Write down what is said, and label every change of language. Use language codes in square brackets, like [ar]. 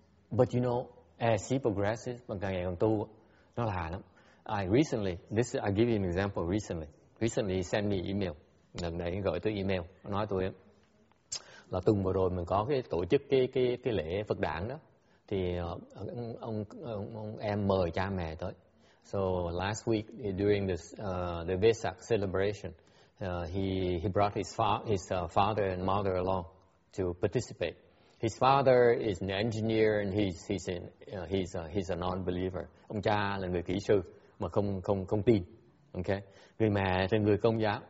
[en] But you know, as she progresses, [vi] mà càng ngày càng tu, nó là lắm. [en] I give you an example recently. Recently, he sent me email. [vi] Lần này gửi tôi email, nói tôi là tuần vừa rồi mình có cái tổ chức cái lễ Phật đản đó, thì ông em mời cha mẹ tới. [en] So last week during the Vesak celebration, he brought his father and mother along to participate. His father is an engineer and he's a non-believer. [vi] Ông cha là người kỹ sư mà không tin. Okay. Người mẹ thì người công giáo.